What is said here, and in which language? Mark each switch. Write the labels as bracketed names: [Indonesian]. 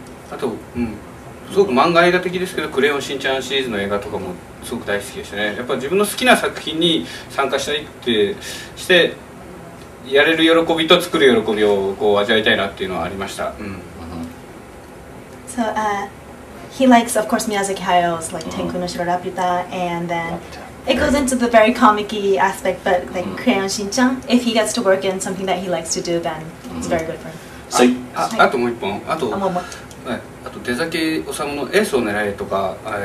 [Japanese] あと、すごく漫画映画的ですけど「クレヨンしんちゃん」シリーズの映画とかもすごく大好きでしたねやっぱり自分の好きな作品に参加したいってしてやれる喜びと作る喜びをこう味わいたいなっていうのはありました。 [English] So, he likes, of course, Miyazaki Hayao's like Tenku no Shiro Laputa, and then it goes into the very comic-y aspect, but like Crayon Shinchan, if he gets to work in something that he likes to do, then it's very good for him. [Japanese] あともう一本、あと出先おさむのエースを狙えとか、